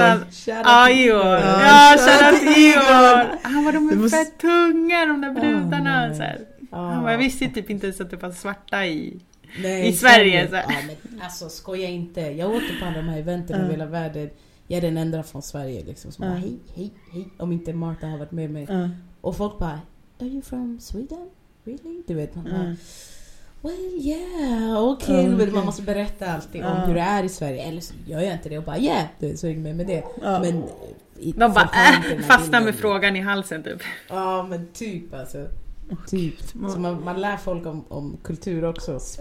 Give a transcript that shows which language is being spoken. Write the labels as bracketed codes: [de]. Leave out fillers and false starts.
[sv] Att han... Igor. Ja, shoutout Igor. Han bara, de är måste... fett tunga de där brudarna. Så här. Han bara, jag visste typ inte ens att det var svarta i... Nej, i Sverige. Så här. Ja, men, alltså skoja inte. Jag åkte på alla de här eventen i hela världen. Jag är den enda från Sverige. Liksom, som bara, hej, hej, hej. Om inte Martha har varit med mig. Och folk bara, [en] are you from Sweden? Really? [sv] Du vet, man bara, [en] well yeah, okay. [sv] Man måste berätta allting om hur det är i Sverige. Eller så gör jag inte det och bara yeah, du är så ring med det. Men de bara fastnar med frågan i halsen typ. Ja, men typ alltså. Typ. Så man lär folk om kultur också.